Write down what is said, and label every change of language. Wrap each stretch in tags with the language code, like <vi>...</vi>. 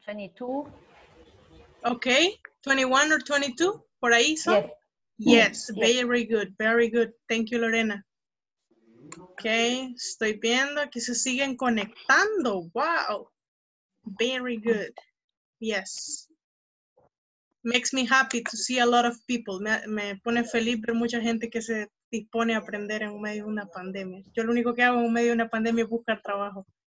<en>22.</en> <es>Ok, 21 or 22, por ahí son.</es> <en>Yes. Yes. Yes, very good, very good. Thank you, Lorena.</en> <es>Ok, estoy viendo que se siguen conectando, wow.</es> <en>Very good. Yes. Makes me happy to see a lot of people.</en> <es>Me pone feliz ver mucha gente que se dispone a aprender en medio de una pandemia. Yo lo único que hago en medio de una pandemia es buscar trabajo.</es>